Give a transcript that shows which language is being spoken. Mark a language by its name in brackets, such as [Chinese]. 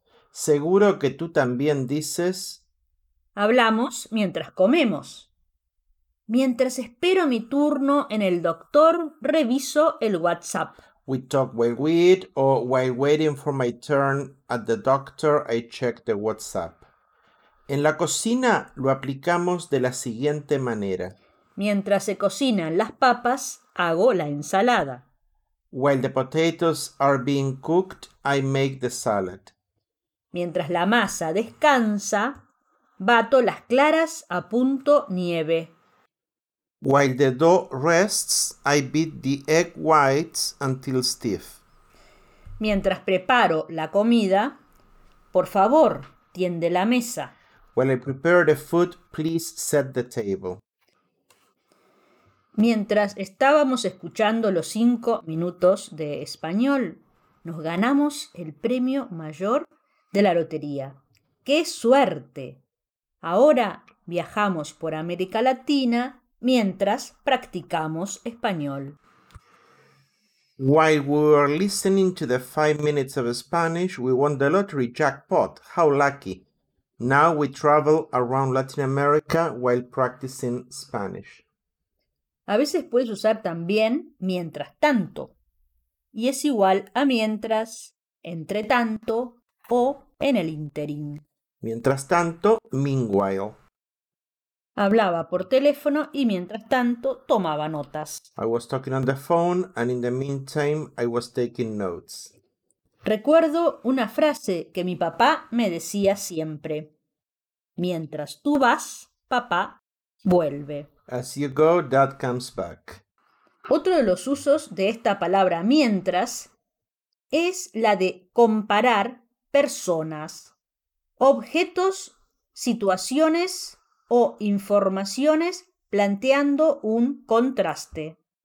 [Spanish] Seguro que tú también dices... Hablamos mientras comemos. Mientras espero mi turno en el doctor, reviso el WhatsApp. [English] We talk while we eat, or while waiting for my turn at the doctor, I check the WhatsApp. [Spanish] En la cocina lo aplicamos de la siguiente manera. Mientras se cocinan las papas, hago la ensalada. [English] While the potatoes are being cooked, I make the salad. [Spanish] Mientras la masa descansa, bato las claras a punto nieve. [English] While the dough rests, I beat the egg whites until stiff. [Spanish] Mientras preparo la comida, por favor, tiende la mesa. [English] While I prepare the food, please set the table. [Spanish] Mientras estábamos escuchando los 5 minutos de español, nos ganamos el premio mayor de la lotería. ¡Qué suerte! Ahora viajamos por América Latina mientras practicamos español. [English] While we were listening to the 5 minutes of Spanish, we won the lottery jackpot. How lucky! Now we travel around Latin America while practicing Spanish. [Spanish] A veces puedes usar también mientras tanto. Y es igual a mientras, entre tanto o en el ínterin. Mientras tanto, [English] meanwhile. [Spanish] Hablaba por teléfono y mientras tanto tomaba notas. [English] I was talking on the phone and in the meantime I was taking notes. [Spanish] Recuerdo una frase que mi papá me decía siempre. Mientras tú vas, papá vuelve. [English] As you go, dad comes back. [Spanish] Otro de los usos de esta palabra mientras es la de comparar personas, objetos, situaciones o informaciones planteando un contraste.